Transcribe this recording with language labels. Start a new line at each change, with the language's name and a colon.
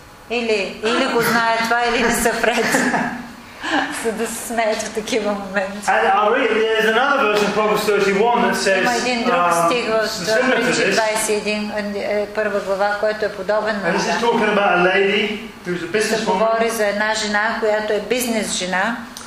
Bulgarian: Или го знае това, или не са пред. За да се смеят в такива моменти.
English: There's another verse in Proverbs 31 that says,
Bulgarian: има един друг стих в Притчи 21, първа глава, който е подобен на това. Говори за една жена, която е бизнес жена.